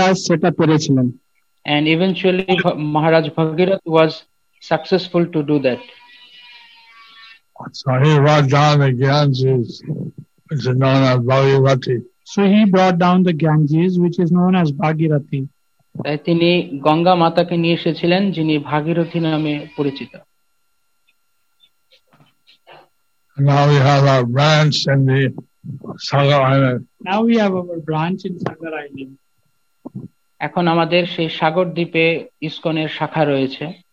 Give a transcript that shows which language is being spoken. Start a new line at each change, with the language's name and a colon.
English: And eventually Maharaj Bhagirath was successful to do that. So he brought down the Ganges, which is known as Bhagirathi. So he brought down the Ganges, which is known as Bhagirathi.
Bangla: তিনি গঙ্গা মাতাকে নিয়ে এসেছিলেন যিনি ভাগীরথী নামে পরিচিত.
English: Now we have our branch in the Sagar Island. Now we have our branch in Sagar Island.
Bangla: এখন আমাদের সেই সাগর দ্বীপে ইসকনের শাখা রয়েছে.